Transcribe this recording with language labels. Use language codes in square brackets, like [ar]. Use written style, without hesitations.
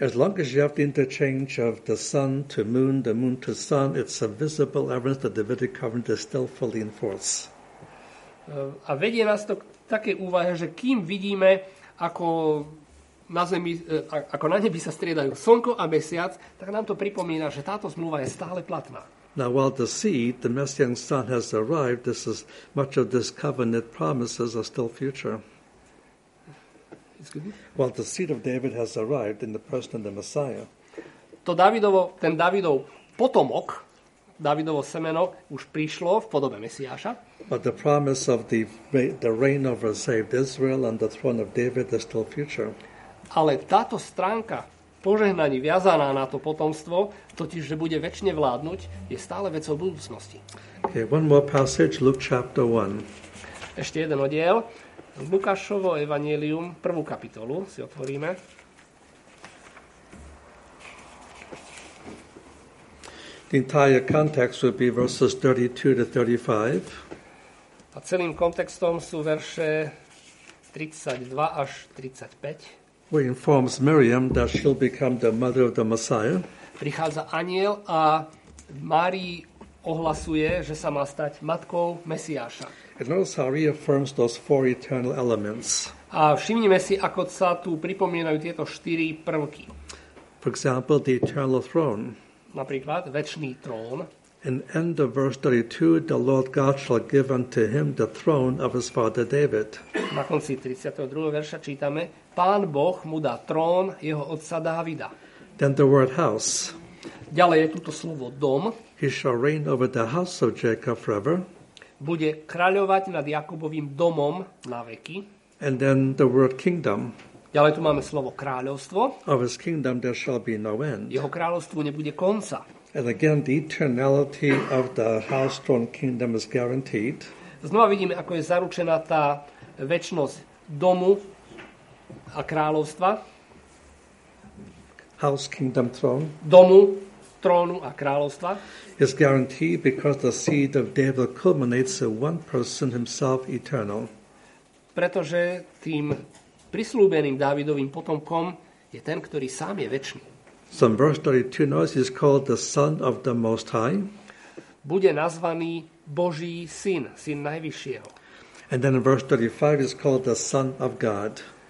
[en] As long as you have the interchange of the sun to moon, the moon to sun, it's a visible evidence that the Davidic covenant is still fully in force. [sk] A vedie nás to k takej úvahe, že kým vidíme, ako na zemi, ako na nebi sa striedajú slnko a mesiac, tak nám to pripomína, že táto zmluva je stále platná. [en] Now while the seed, the Messianic son has arrived, this is much of this covenant promises are still future. While the seed of David has arrived in the person of the Messiah. [sk] To Davidovo, ten Davidov potomok, Davidovo semeno už prišlo v podobe Mesiáša. [en] But the promise of the reign over saved Israel and the throne of David is still future. [sk] Ale táto stránka požehnaní viazaná na to potomstvo, totiž že bude večne vládnuť, je stále vecou budúcnosti. [en] Okay, one more passage, Luke chapter 1. [sk] Ešte jeden oddiel. Lukášovo evanjelium, prvú kapitolu si otvoríme. [en] The entire context would be verses 32 to 35. [sk] A celým kontextom sú verše 32 až 35. [en] We informs Miriam that she'll become the mother of the Messiah. [sk] Prichádza anjel a Márii ohlasuje, že sa má stať matkou Mesiáša. [en] And notice how reaffirms those four eternal elements. [sk] A všimnime si, ako sa tu pripomínajú tieto štyri prvky. [en] For example, the eternal throne. [sk] Napríklad večný trón. [en] In end of verse 32, the Lord God shall give unto him the throne of his father David. [sk] Na konci 32. verša čítame, Pán Boh mu dá trón jeho otca Dávida. [en] Then the word house. [sk] Ďalej je toto slovo dom. [en] He shall reign over the house of Jacob forever. [sk] Bude kráľovať nad Jakubovým domom na veky. [en] And then the word kingdom. [sk] Ďalej tu máme slovo kráľovstvo. [en] Of his kingdom there shall be no end. [sk] Jeho kráľovstvu nebude konca. [en] And again, the eternality of the house throne kingdom is guaranteed. [sk] Znova vidíme, ako je zaručená tá večnosť domu a kráľovstva. [en] House kingdom throne. [sk] Domu, trónu a kráľovstva. [en] Is guaranteed because the seed of David culminates in one person himself eternal. [sk] Pretože tým prislúbeným Dávidovým potomkom je ten, ktorý sám je večný. [en] So in verse 32 notice he's called the son of the most high. [sk] Bude nazvaný Boží syn, syn najvyššieho. [en] And then in verse 35 he's called the son of God.